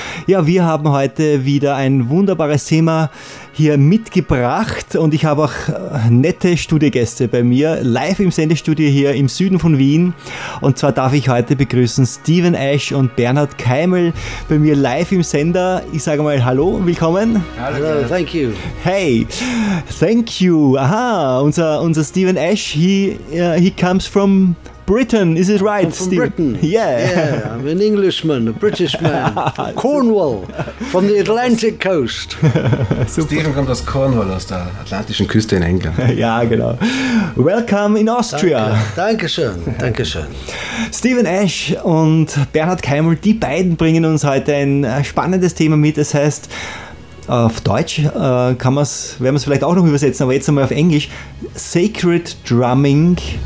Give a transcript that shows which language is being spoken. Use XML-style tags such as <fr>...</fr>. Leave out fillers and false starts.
<de>Ja, wir haben heute wieder ein wunderbares Thema hier mitgebracht und ich habe auch nette Studiogäste bei mir, live im Sendestudio hier im Süden von Wien. Und zwar darf ich heute begrüßen Steven Ash und Bernhard Keimel bei mir live im Sender. Ich sage mal hallo, willkommen.</de> <en>Hallo, thank you. Hey, thank you.</en> <de>Aha, unser</de> <en>Steven Ash, he comes from Britain, is it right, I'm from Steve? Britain. Yeah, I'm an Englishman, a British man, Cornwall, from the Atlantic coast.</en> <de>Stephen kommt aus Cornwall, aus der atlantischen Küste in England. Ja, genau.</de> <en>Welcome in Austria.</en> <de>Dankeschön. Steven Ash und Bernhard Keimel, die beiden bringen uns heute ein spannendes Thema mit, das heißt, auf Deutsch werden wir es vielleicht auch noch übersetzen, aber jetzt einmal auf Englisch, Sacred Drumming.</de>